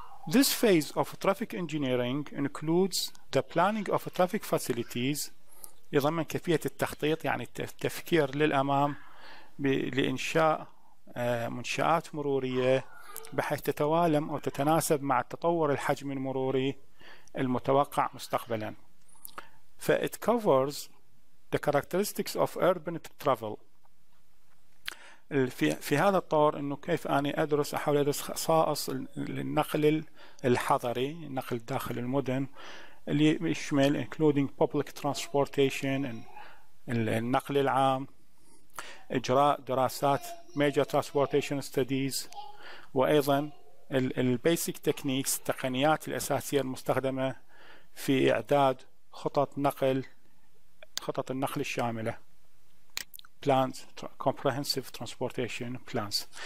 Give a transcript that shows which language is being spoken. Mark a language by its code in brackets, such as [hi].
[en] This phase of traffic engineering includes the planning of traffic facilities، [ar] يضمن كيفيه التخطيط، يعني التفكير للامام لانشاء منشات مروريه بحيث تتوالم او تتناسب مع التطور الحجم المروري المتوقع مستقبلا. [en] ف it covers the characteristics of urban travel. [ar] في هذا الطور انه كيف اني ادرس، احاول ادرس خصائص النقل الحضري، النقل داخل المدن، اللي يشمل [en] including public transportation، [ar] النقل العام، اجراء دراسات [en] major transportation studies، [ar] وايضا [en] البيسك تكنيكس، [ar] التقنيات الاساسيه المستخدمه في اعداد خطط النقل الشامله، [en] Plans comprehensive transportation plans.